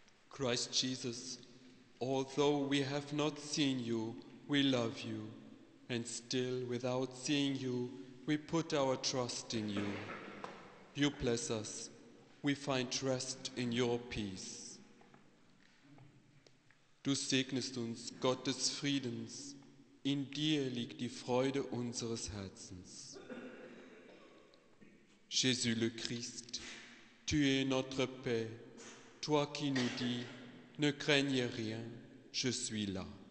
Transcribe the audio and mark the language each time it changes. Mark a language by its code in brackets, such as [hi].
[en] Christ Jesus, although we have not seen you, we love you, and still without seeing you, we put our trust in you. You bless us, we find rest in your peace. [de] Du segnest uns, Gott des Friedens, in dir liegt die Freude unseres Herzens. [fr] Jésus le Christ, tu es notre paix, toi qui nous dis, ne craignez rien, je suis là.